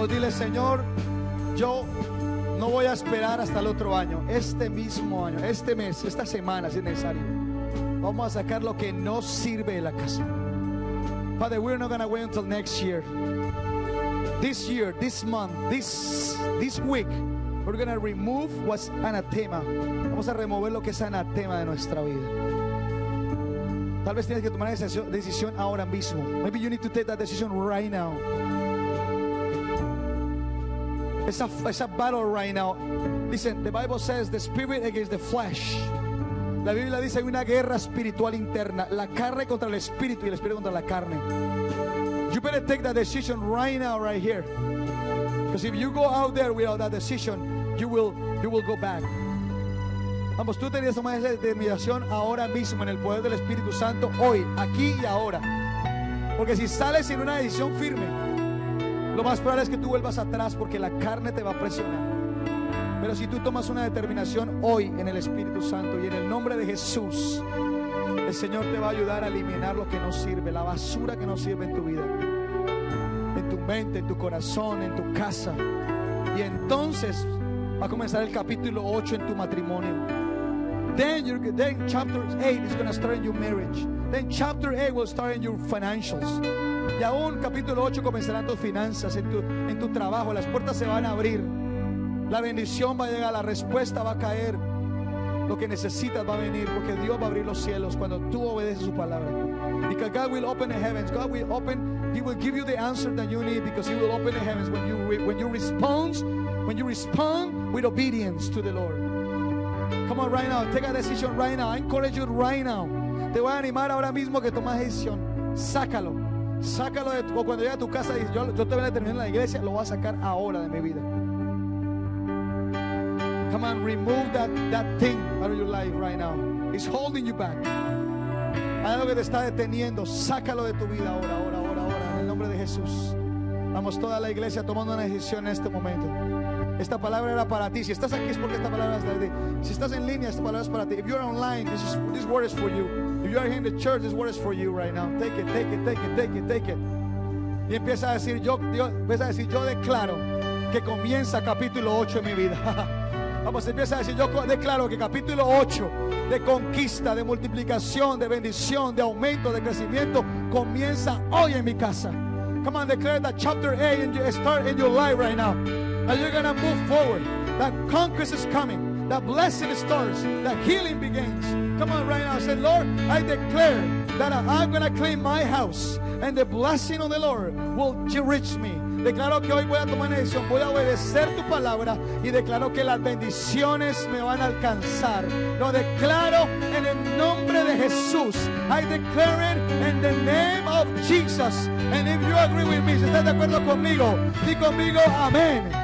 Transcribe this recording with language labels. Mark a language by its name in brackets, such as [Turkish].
[Spanish] Señor, yo no voy a esperar hasta el otro año, este mismo año, este mes, esta semana, si es necesario, vamos a sacar lo que no sirve de la casa. [English] Father, we're not gonna wait until next year. This year, this month, this week, we're gonna remove what's anatema. [Spanish] Vamos a remover lo que es anatema de nuestra vida. Tal vez tienes que tomar esa decisión ahora mismo. [English] Maybe you need to take that decision right now. It's a battle right now. Listen, the Bible says the spirit against the flesh. [Spanish] La Biblia dice hay una guerra espiritual interna. La carne contra el espíritu y el espíritu contra la carne. [English] You better take that decision right now, right here. Because if you go out there without that decision, you will go back. [Spanish] Vamos, tú tenías una determinación ahora mismo en el poder del Espíritu Santo, hoy, aquí y ahora. Porque si sales sin una decisión firme, lo más probable es que tú vuelvas atrás porque la carne te va a presionar. Pero si tú tomas una determinación hoy en el Espíritu Santo y en el nombre de Jesús, el Señor te va a ayudar a eliminar lo que no sirve, la basura que no sirve en tu vida, en tu mente, en tu corazón, en tu casa. Y entonces va a comenzar el capítulo 8 en tu matrimonio. [English] Then chapter 8 is going to start in your marriage. Then chapter 8 will start in your financials. [Spanish] Y aún capítulo 8 comenzarán tus finanzas, en tu trabajo. Las puertas se van a abrir. La bendición va a llegar, la respuesta va a caer. Lo que necesitas va a venir, porque Dios va a abrir los cielos cuando tú obedeces su palabra. [English] Because God will open the heavens. God will open, He will give you the answer that you need, because He will open the heavens when you respond with obedience to the Lord. Come on right now, take a decision right now. I encourage you right now. [Spanish] Te voy a animar ahora mismo que tomes decisión. Sácalo. Sácalo de tu, o cuando llegue a tu casa y yo te voy a terminar en la iglesia, lo voy a sacar ahora de mi vida. [English] Come on, remove that thing out of your life right now. It's holding you back. [Spanish] Hay algo que te está deteniendo. Sácalo de tu vida ahora, en el nombre de Jesús. Vamos, toda la iglesia tomando una decisión en este momento. Esta palabra era para ti. Si estás aquí es porque esta palabra es para ti. Si estás en línea, esta palabra es para ti. [English] If you are online, this word is for you. If you are here in the church, this word is for you right now. Take it, take it, take it, take it, take it. [Spanish] Y empieza a decir, yo declaro que comienza capítulo 8 en mi vida. Vamos, empieza a decir, yo declaro que capítulo 8 de conquista, de multiplicación, de bendición, de aumento, de crecimiento, comienza hoy en mi casa. [English] Come on, declare that chapter 8 start in your life right now. And you're going to move forward. That conquest is coming. That blessing starts. That healing begins. Come on right now. Say, Lord, I declare that I'm going to clean my house. And the blessing of the Lord will reach me. [Spanish] Declaro que hoy voy a tomar una decisión. Voy a obedecer tu palabra. Y declaro que las bendiciones me van a alcanzar. Lo declaro en el nombre de Jesús. [English] I declare it in the name of Jesus. And if you agree with me, [Spanish] si estás de acuerdo conmigo, di conmigo amén.